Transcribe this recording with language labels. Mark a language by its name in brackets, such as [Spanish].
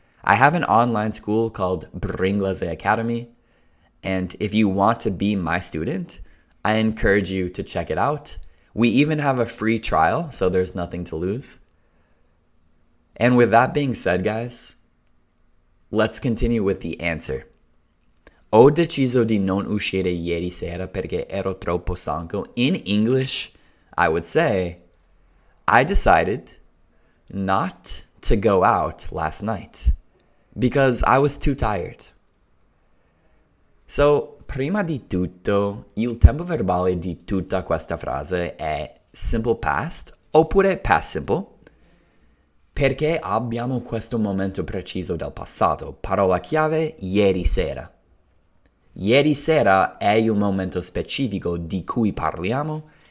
[English] I have an online school called Bringlese Academy, and if you want to be my student, I encourage you to check it out. We even have a free trial, so there's nothing to lose. And with that being said, guys, let's continue with the answer. [Italian] Ho deciso di non uscire ieri sera perché ero troppo stanco. [English] In English, I would say, I decided not to go out last night because I was too tired. [Italian] So, prima di tutto, il tempo verbale di tutta questa frase è simple past oppure past simple. Perché abbiamo questo momento preciso del passato? Parola chiave, ieri sera. Ieri sera è il momento specifico di cui parliamo.